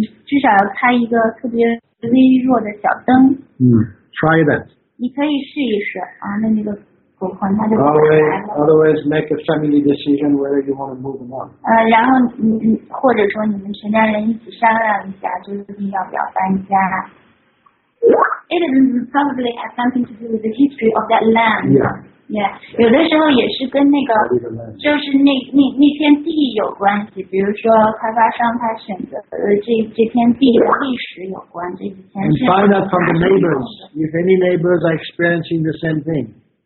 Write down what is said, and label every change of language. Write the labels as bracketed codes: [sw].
[zh] 不要在这个伸手不见五指的这种黑暗的地方睡觉，就是你至少要开一个特别微弱的小灯。 [en] Try that. [zh] 你可以试一试，那个。 [en] Always make a family decision whether you want to move or not. [zh] 然后你或者说你们全家人一起商量一下，就是你要不要搬家。 [en] It is probably has something to do with the history of that land. Yeah. [zh] 有的时候也是跟那个就是那片地有关系，比如说开发商他选择这片地的历史有关，这一片。 [en] And find out from the neighbors if any neighbors are experiencing the same thing.